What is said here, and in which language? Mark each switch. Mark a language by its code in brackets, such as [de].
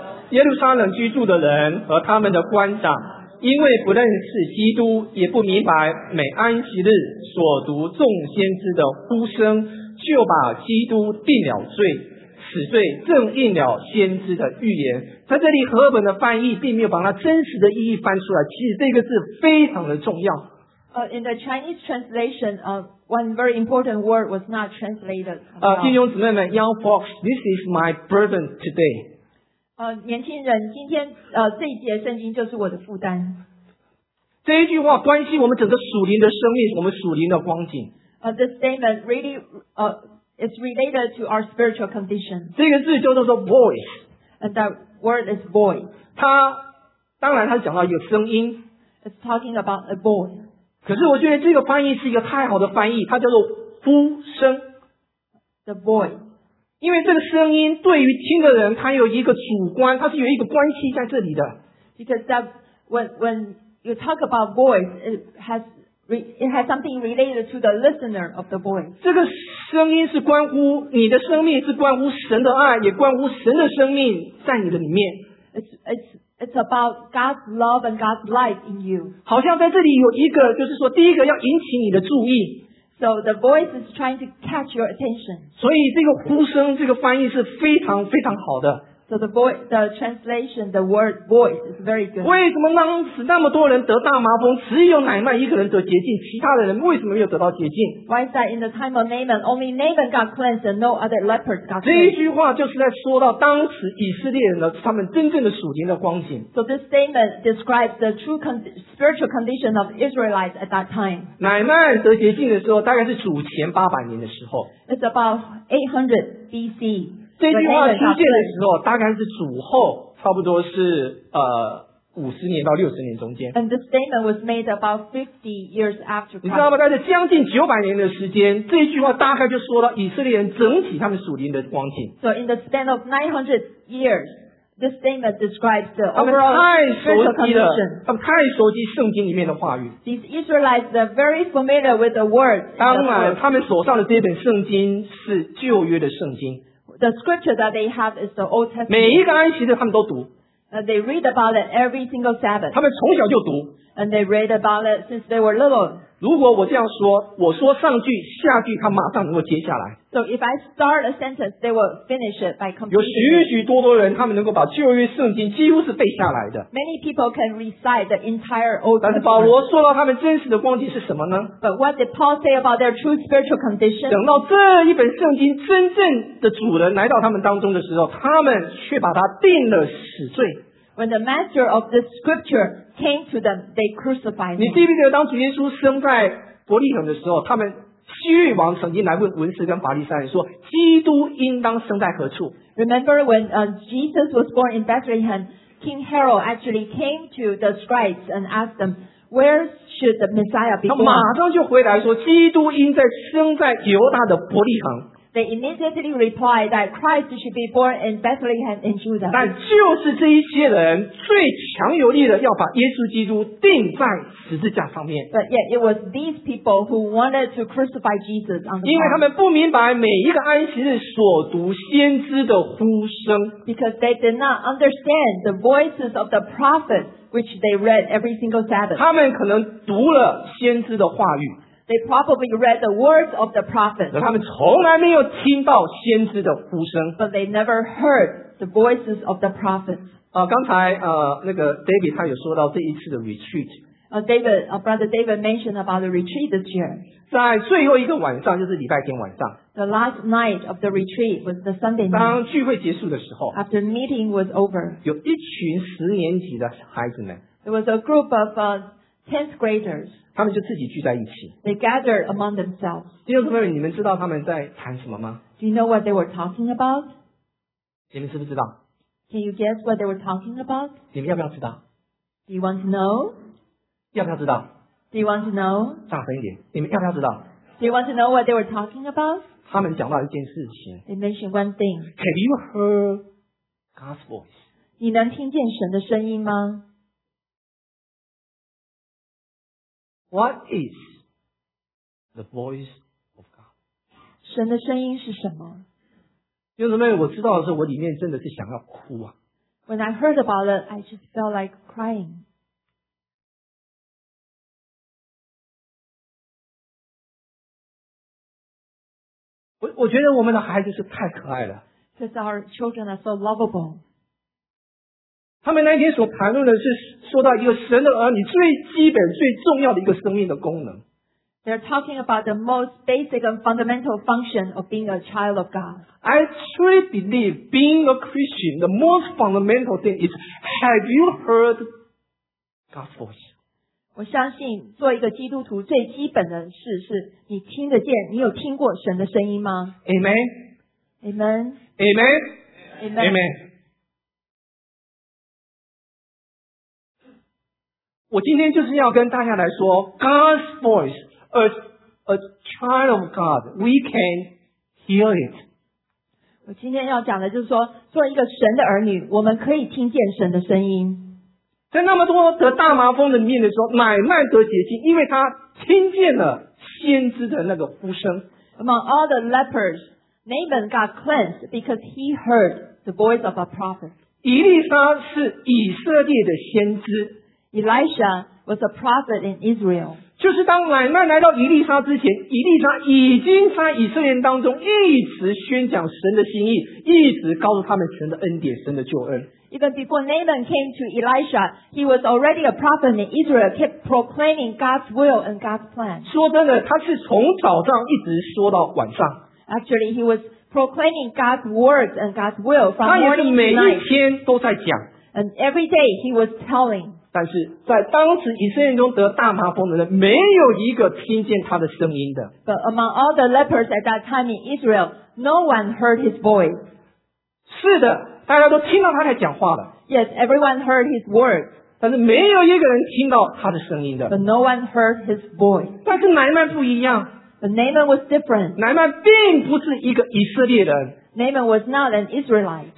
[zh] 耶路撒冷居住的人和他们的官长，因为不认识基督，也不明白每安息日所读众先知的呼声，就把基督定了罪，死罪正应了先知的预言。在这里和本的翻译并没有把它真实的意义翻出来，其实这个字非常的重要。 [en] In the Chinese translation, one very important word was not translated. [zh] 弟兄姊妹们 [en] ，Young folks, this is my burden today. [zh] 年轻人，今天这一节圣经就是我的负担。这一句话关系我们整个属灵的生命，我们属灵的光景。 [en] This statement really is related to our spiritual condition. [zh] 这个字叫做 voice. [en] And that word is voice. [zh] 它当然它讲到有声音。 [en] It's talking about a voice. [zh] 可是我觉得这个翻译是一个太好的翻译，它叫做呼声 [en] ，the voice。 [zh] 因为这个声音对于听的人，它有一个主观，它是有一个关系在这里的。 [en] Because that when you talk about voice, it has something related to the listener of the voice. [zh] 这个声音是关乎你的生命，是关乎神的爱，也关乎神的生命在你的里面。 [en] It's about God's love and God's life in you. [zh] 好像在这里有一个，就是说，第一个要引起你的注意。 [en] So the voice is trying to catch your attention. [zh] 所以这个呼声，这个翻译是非常非常好的。 [en] So the voice, the translation, the word voice is very good. [zh] 为什么当时那么多人得大麻风，只有乃曼一个人得洁净，其他的人为什么没有得到洁净 [en] ？Why is that in the time of Naaman, only Naaman got cleansed and no other leper got cleansed? [zh] 这一句话就是在说到当时以色列人的他们真正的属灵的光景。 [en] So this statement describes the true spiritual condition of Israelites at that time. [zh] 乃曼得洁净的时候，大概是主前八百年的时候。 [en] It's about 800 BC. [zh] 这句话出现的时候大概是主后差不多是50年到60年中间。 [en] And the statement was made about 50 years after Christ. [zh] 你知道吗，在这将近900年的时间，这句话大概就说到以色列人整体他们属灵的光景。 [en] So in the span of 900 years, this statement describes the overall spiritual condition. [zh] 他们太熟悉了，他们太熟悉圣经里面的话语。 [en] These Israelites are very familiar with the word. [zh] 当然他们手上的这本圣经是旧约的圣经。 [en] The scripture that they have is the Old Testament. [zh] 每一个安息日他们都读。 [en] They read about it every single Sabbath. [zh] 他们从小就读。 [en] And they read about it since they were little. [zh] 如果我这样说，我说上句下句，他马上能够接下来。 [en] So if I start a sentence, they will finish it by completing. [zh] 有许许多多人，他们能够把旧约圣经几乎是背下来的。 [en] Many people can recite the entire Old Testament. [zh] 但是保罗说到他们真实的光景是什么呢 [en] ？But what did Paul say about their true spiritual condition? [zh] 等到这一本圣经真正的主人来到他们当中的时候，他们却把它定了死罪。 [en] When the master of the scripture came to them, they crucified him. [zh] 你记不记得当主耶稣生在伯利恒的时候，他们希律王曾经来问文士跟法利赛人说，基督应当生在何处 [en] ？Remember when Jesus was born in Bethlehem, King Herod actually came to the scribes and asked them, where should the Messiah be born? [zh] 他马上就回来说，基督应该生在犹大的伯利恒。 [en] They immediately replied that Christ should be born in Bethlehem in Judah. [zh] 但就是这一些人最强有力的要把耶稣基督钉在十字架上面。 [en] But yet it was these people who wanted to crucify Jesus on the cross. [zh] 因为他们不明白每一个安息日所读先知的呼声。 [en] Because they did not understand the voices of the prophets which they read every single Sabbath. [zh] 他们可能读了先知的话语。 [en] They probably read the words of the prophet. [zh] 他们从来没有听到先知的呼声。 [en] But they never heard the voices of the prophet. [zh] 刚才那个 David 他有说到这一次的 retreat. [en] Brother David mentioned about the retreat this year. [zh] 在最后一个晚上，就是礼拜天晚上。 [en] The last night of the retreat was the Sunday night. [zh] 当聚会结束的时候。 [en] After meeting was over. [zh] 有一群十年级的孩子们。 [en] There was a group of 10th graders. [zh] 他们就自己聚在一起。 [en] They gathered among themselves. [zh] 弟兄姊妹，你们知道他们在谈什么吗？ [en] Do you know what they were talking about? [zh] 你们是不是知道？ [en] Can you guess what they were talking about? [zh] 你们要不要知道？ [en] Do you want to know? [zh] 要不要知道？ [en] Do you want to know? [zh] 大声一点，你们要不要知道？ [en] Do you want to know what they were talking about? [zh] 他们讲到一件事情。 [en] They mentioned one thing. Have you heard God's voice? [zh] 你能听见神的声音吗？ [en] What is the voice of God? [zh] 神的声音是什么？弟兄姊妹，我知道的时候，我里面真的是想要哭啊。 [en] When I heard about it, I just felt like crying. [zh] 我觉得我们的孩子是太可爱了。 [en] Because our children are so lovable. [zh] 他们那天所谈论的是说到一个神的儿女最基本最重要的一个生命的功能。 [en] They're talking about the most basic and fundamental function of being a child of God. I truly believe being a Christian, the most fundamental thing is, have you heard God's voice? [zh] 我相信做一个基督徒最基本的事是你听得见，你有听过神的声音吗？ [en] Amen. Amen. Amen. Amen. Amen. [zh] 我今天就是要跟大家来说 [en] God's voice as a child of God we can hear it [zh] 我今天要讲的就是说做一个神的儿女我们可以听见神的声音在那么多得大麻风的面的时候乃曼得洁净因为他听见了先知的那个呼声 [en] Among all the lepers Naaman got cleansed because he heard the voice of a prophet [zh] 以利沙是以色列的先知 [en] Elisha was a prophet in Israel. [zh] 就是当乃曼来到以利沙之前，以利沙已经在以色列当中一直宣讲神的心意，一直告诉他们神的恩典、神的救恩。 [en] Even before Naaman came to Elisha, he was already a prophet in Israel, kept proclaiming God's will and God's plan. [zh] 说真的，他是从早上一直说到晚上。 [en] Actually, he was proclaiming God's words and God's will from morning to night. [zh] 他也是每一天都在讲。 [en] And every day he was telling. [zh] 但是在当时以色列中得大麻风的人没有一个听见他的声音的 [en] But among all the lepers at that time in Israel No one heard his voice [zh] 是的大家都听到他在讲话了 [en] Yes, everyone heard his words [zh] 但是没有一个人听到他的声音的 [en] But no one heard his voice [zh] 但是乃曼不一样 [en] But Naaman was different [zh] 乃曼并不是一个以色列人 [en] Naaman was not an Israelite